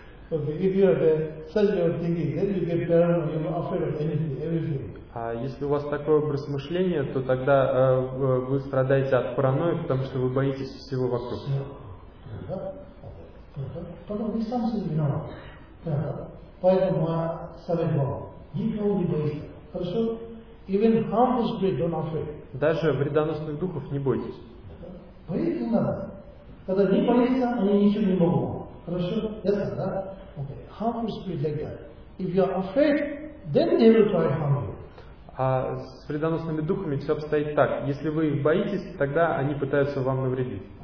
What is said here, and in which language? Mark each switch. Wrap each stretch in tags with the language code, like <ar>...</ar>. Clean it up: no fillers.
<en>Okay, if you are such your thinking, then you get paranoid, you're afraid of anything, everything.</en> <ru>А если у вас такой образ мышления, то тогда вы страдаете от паранойи, потому что вы боитесь всего вокруг. Да? Да? Да? Да? Да? Да? Да? Да? Поэтому я советую вам, никого не бойтесь, хорошо?</ru> <en>Even harmful spirit, don't afraid.</en> <ru>Даже вредоносных духов не бойтесь. Бояться надо. Когда не боятся, они ничего не могут. Хорошо? Это, да?</ru> <en>Okay. Harmful spirit like that. If you are afraid, then they will try harm you.</en> <ru>А с вредоносными духами все обстоит так. Если вы их боитесь, тогда они пытаются вам навредить.</ru>